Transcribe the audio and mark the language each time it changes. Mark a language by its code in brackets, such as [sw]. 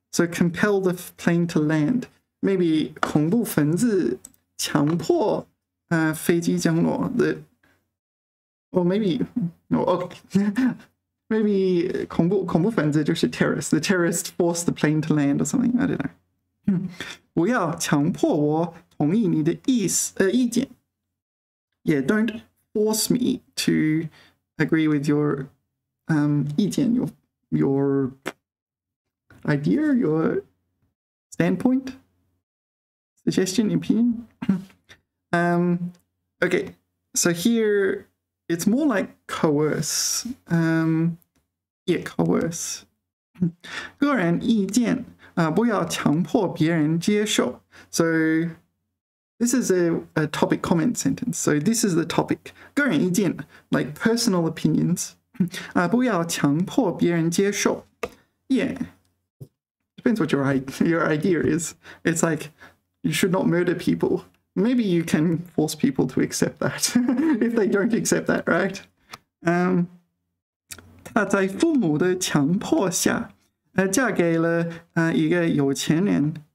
[en] So compel the plane to land. Maybe [zh] 恐怖分子强迫飞机降落 [en] the,Well, maybe, no, okay. [zh] Maybe 恐怖恐怖分子就是 terrorist. [en] The terrorist forced the plane to land or something. I don't know. [zh] 不要强迫我同意你的意见。 [en] Yeah, don't force me to agree with your 意见, your idea, your standpoint, suggestion, opinion. Okay, so here... It's more like coerce. Yeah, coerce. [zh] 个人意见不要强迫别人接受。 [en] So this is a topic comment sentence. So this is the topic. [zh] 个人意见 [en] like personal opinions. [zh] 不要强迫别人接受。 [en] Yeah. Depends what your idea is. It's like you should not murder people. Maybe you can force people to accept that, if they don't accept that, right? [zh] 她在父母的强迫下嫁给了一个有钱人。